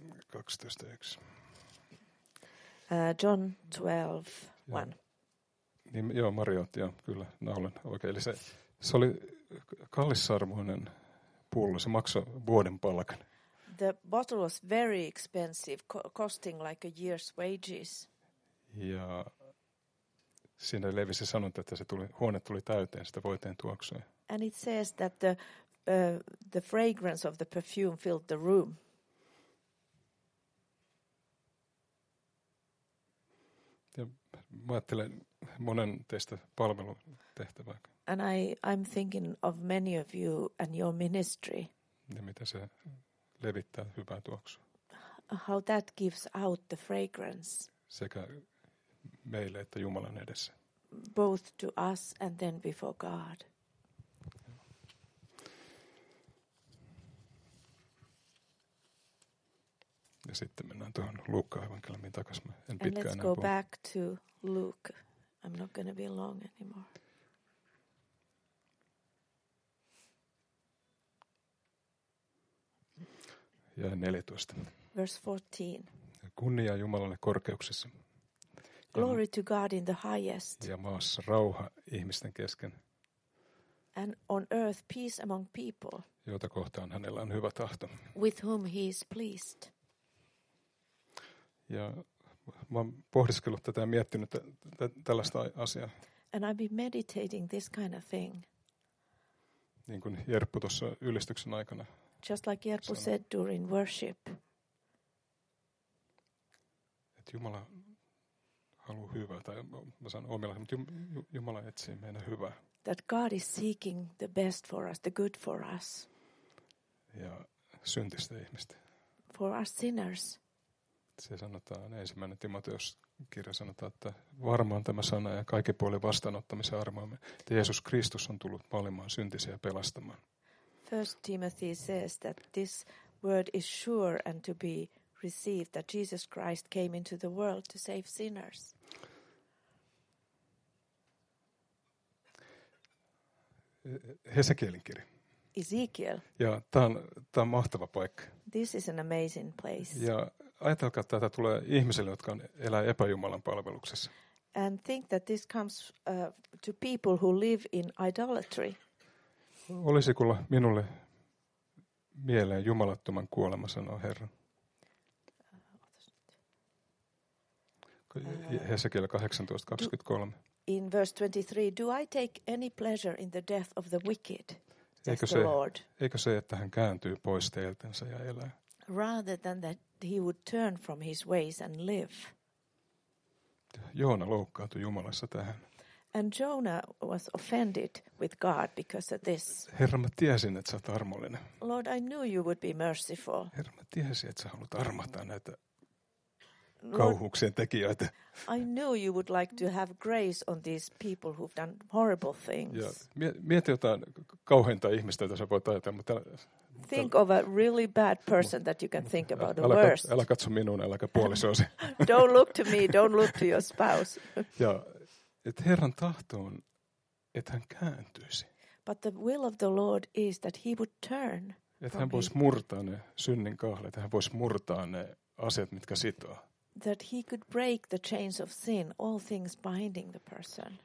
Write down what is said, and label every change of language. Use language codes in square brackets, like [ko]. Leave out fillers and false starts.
[en] 12:1. John 12:1. [fi] Niin, joo, Maria otti, joo, kyllä, naulan oikein. Eli se oli kallisarvoinen pullo, se maksoi vuoden palkan. [en] The bottle was very expensive, costing like a year's wages. [fi] Ja siinä levisi sanonta, että se tuli, huone tuli täyteen sitä voiteen tuoksua. [en] And it says that the fragrance of the perfume filled the room. [fi] Ja mä ajattelen monen teistä palvelutehtävää. [en] And I'm thinking of many of you and your ministry. [fi] Ja mitä se levittää hyvää tuoksua. [en] How that gives out the fragrance. [fi] Sekä meille että Jumalan edessä. [en] Both to us and then before God. [fi] Ja sitten mennään tuohon Luukkaan evankeliumiin takaisin. En pitkään enää. [en] And let's go back to Luke. I'm not going to be long anymore. [fi] Ja 14. [en] Verse 14. [fi] Kunnia Jumalalle korkeuksessa. [en] Glory to God in the highest. [fi] Ja maassa rauha ihmisten kesken. [en] And on earth peace among people. [fi] Jota kohtaan hänellä on hyvä tahto. [en] With whom he is pleased. [fi] Ja mä oon pohdiskellut tätä ja miettinyt tällaista asiaa. [en] And I've been meditating this kind of thing. [fi] Niin kuin Jerppu tuossa ylistyksen aikana. [en] Just like Jerppu said during worship. [fi] Että Jumala haluaa hyvää, tai mä sanon omilla, mutta Jumala etsii meidän hyvää. [en] That God is seeking the best for us, the good for us. [fi] Ja syntistä ihmistä. [en] For us sinners. [fi] Se sanotaan, ensimmäinen Timoteus-kirja sanotaan, että varmaan tämä sana ja kaikki puoli vastaanottamisen armoamme, että Jeesus Kristus on tullut maailmaan syntisiä pelastamaan. [en] First Timothy says that this word is sure and to be received, that Jesus Christ came into the world to save sinners. [fi] Hesekielin kirja. [en] Ezekiel. [fi] Ja tämä on mahtava paikka. [en] This is an amazing place. [fi] Ja ajatelkaa, että tätä tulee ihmisille, jotka elää epäjumalan palveluksessa. [en] And think that this comes to people who live in idolatry. [fi] Olisiko minulle mieleen jumalattoman kuolema, sanoo Herra. Hesekiel 18:23. [en] In verse 23, do I take any pleasure in the death of the wicked? [fi] Eikö se, että hän kääntyy pois teiltänsä ja elää? [en] Rather than that he would turn from his ways and live. [fi] Joona loukkaantui Jumalassa tähän. [en] And Jonah was offended with God because of this. [fi] Herra, mä tiesin, että sä oot armollinen. [en] Lord, I knew you would be merciful. [fi] Herra, mä tiesin, että sä haluat armahtaa näitä kauhuuksien tekijöitä. [en] I knew you would like to have grace on these people who've done horrible things. [fi] Ja mieti jotain kauheinta ihmistä, jota sä voit ajatella, mutta [en] think of a really bad person that you can think about, the worst. [fi] Älä katso minuun, äläkä puolisoosi. [en] Don't look to me, don't look to your spouse. [fi] Ja että Herran tahto on, että hän kääntyisi. [en] But the will of the Lord is that he would turn. [fi] Että hän voisi murtaa ne synnin kahle, että hän voisi murtaa ne asiat, mitkä sitoo. [en] That he could break the chains of sin, all things binding the person.